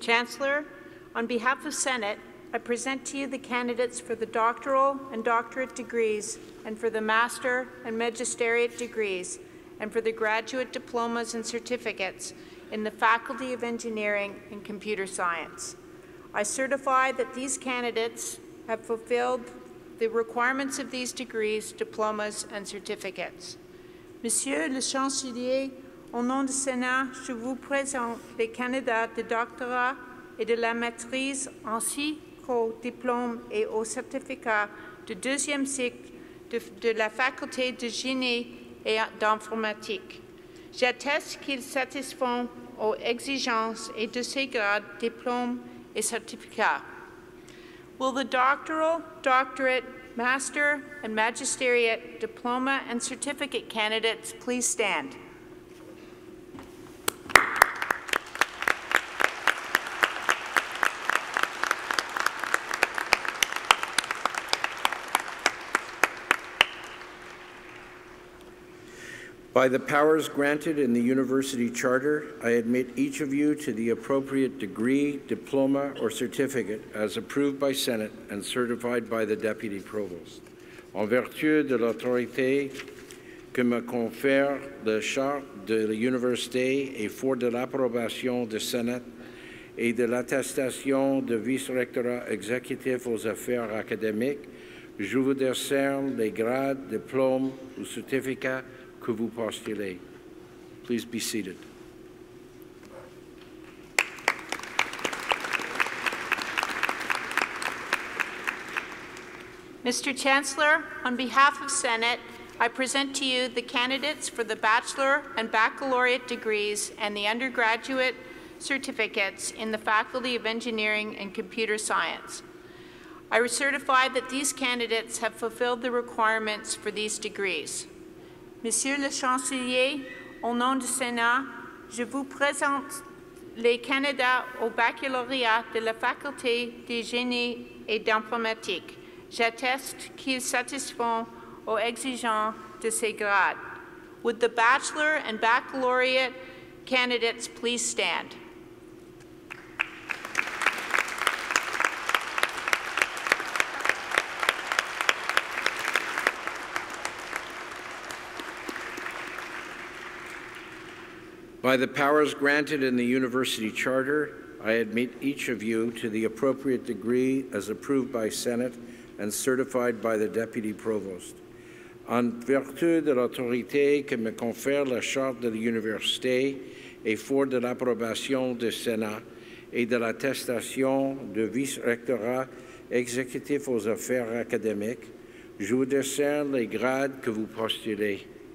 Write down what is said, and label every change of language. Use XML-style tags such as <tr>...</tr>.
<en>Chancellor, on behalf of Senate, I present to you the candidates for the doctoral and doctorate degrees and for the master and magisteriate degrees and for the graduate diplomas and certificates in the Faculty of Engineering and Computer Science. I certify that these candidates have fulfilled the requirements of these degrees, diplomas, and certificates.</en> <fr>Monsieur le Chancelier, au nom du Sénat, je vous présente les candidats de doctorat et de la maîtrise ainsi qu'au diplôme et au certificat de deuxième cycle de la Faculté de génie et d'informatique. J'atteste qu'ils satisfont aux exigences et de ces grades, diplômes et certificats.</fr> <en>Will the doctoral, doctorate, master, and magisteriate, diploma, and certificate candidates please stand? By the powers granted in the University Charter, I admit each of you to the appropriate degree, diploma, or certificate as approved by Senate and certified by the Deputy Provost.</en> <fr>En vertu de l'autorité que me confère la Charte de l'Université et fort de l'approbation du Senate et de l'attestation de vice-rectorat exécutif aux affaires académiques, je vous décerne les grades, diplômes ou certificats que vous postulez.</fr> <en>Please be seated. Mr. Chancellor, on behalf of Senate, I present to you the candidates for the bachelor and baccalaureate degrees and the undergraduate certificates in the Faculty of Engineering and Computer Science. I certify that these candidates have fulfilled the requirements for these degrees.</en> <fr>Monsieur le Chancelier, au nom du Sénat, je vous présente les candidats au baccalauréat de la Faculté de génie et d'informatique. J'atteste qu'ils satisfont aux exigences de ces grades.</fr> <en>Would the bachelor and baccalaureate candidates please stand? By the powers granted in the University Charter, I admit each of you to the appropriate degree as approved by Senate and certified by the Deputy Provost.</en> <fr>En vertu de l'autorité que me confère la Charte de l'Université et fort de l'approbation du Sénat et de l'attestation de vice-rectorat exécutif aux affaires académiques, je vous décerne les grades que vous postulez.</fr>